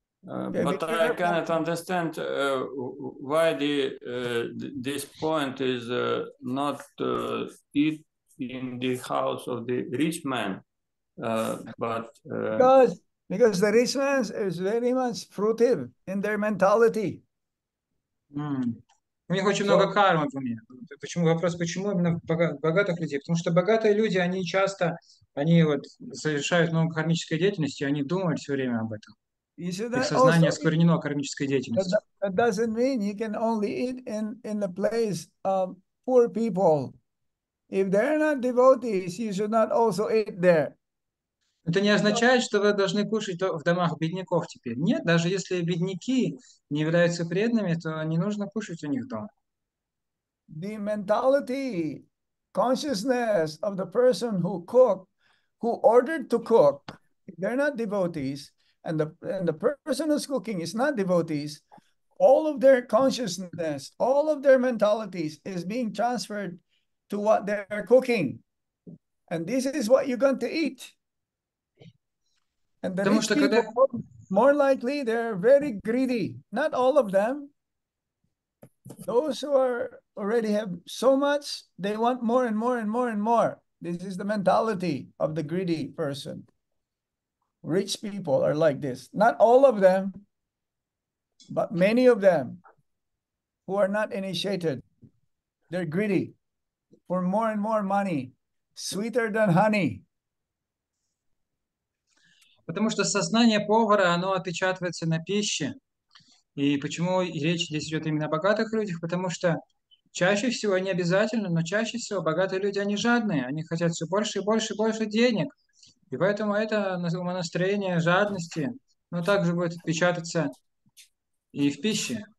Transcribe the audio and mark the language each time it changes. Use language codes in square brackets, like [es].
[en] I cannot understand why this point is not eat in the house of the rich man, but... Because the rich man is very much fruitive in their mentality. [ru] У них очень много кармы в уме. Почему вопрос, почему именно богатых людей? Потому что богатые люди, они часто, они вот совершают много кармической деятельности, они думают все время об этом. Их сознание осквернено кармической деятельностью. [en] That doesn't mean you can only eat in the place of poor people. If they're not devotees, you should not also eat there. [ru] Это не означает, что вы должны кушать в домах бедняков теперь. Нет, даже если бедняки не являются преданными, то не нужно кушать у них дома. [en] The mentality, consciousness of the person who cooked, who ordered to cook, they're not devotees, and the person who's cooking is not devotees, all of their consciousness, all of their mentalities is being transferred to what they're cooking. And this is what you're going to eat. And the [ru] Потому [en] rich [ru] что [en] people, [ru] когда... [en] more likely, they're very greedy. Not all of them. Those who are already have so much, they want more and more and more and more. This is the mentality of the greedy person. Rich people are like this. Not all of them, but many of them who are not initiated. They're greedy for more and more money, sweeter than honey. [ru] Потому что сознание повара, оно отпечатывается на пище. И почему речь здесь идет именно о богатых людях? Потому что чаще всего, не обязательно, но чаще всего богатые люди, они жадные. Они хотят все больше и больше и больше денег. И поэтому это умонастроение жадности, но также будет отпечататься и в пище.